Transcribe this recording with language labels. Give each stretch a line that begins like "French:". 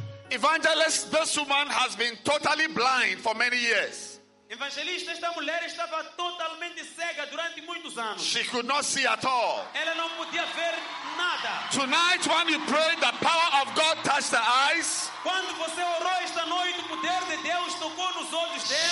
English: evangelist, this woman has been totally blind for many years.
Portuguese: Evangelista, esta mulher estava totalmente cega durante muitos anos.
English: She could not see at all.
Portuguese: Ela não podia ver nada.
English: Tonight, when you pray, the power of God touched the eyes.
Portuguese: Quando você orou esta noite, o poder de Deus tocou nos olhos dela.